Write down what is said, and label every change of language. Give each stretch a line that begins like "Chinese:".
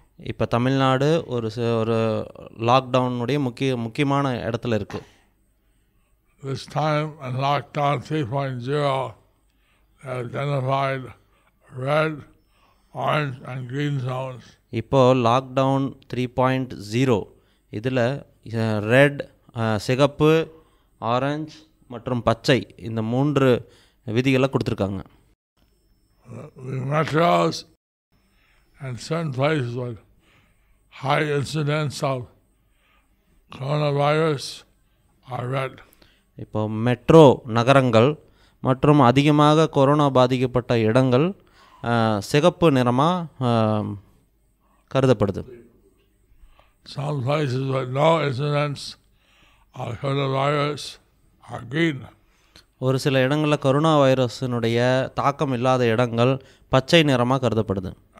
Tamil: இப்போ தமிழ்நாடு ஒரு லாக்டவுனுடைய முக்கியமான இடத்துல இருக்கு.
English: This time in lockdown 3.0 they identified red, orange and green zones.
Tamil: இப்போ லாக்டவுன் 3.0 இதில் ரெட், சிகப்பு, ஆரஞ்சு மற்றும் பச்சை இந்த மூன்று விதிகளை கொடுத்துருக்காங்க.
English: High incidence of coronavirus are red.
Tamil: இப்போ மெட்ரோ நகரங்கள் மற்றும் அதிகமாக கொரோனா பாதிக்கப்பட்ட இடங்கள் சிகப்பு நிறமாக கருதப்படுது.
English: Some places with no incidents of coronavirus are green.
Tamil: ஒரு சில இடங்களில் கொரோனா வைரஸினுடைய தாக்கம் இல்லாத இடங்கள் பச்சை நிறமாக கருதப்படுது.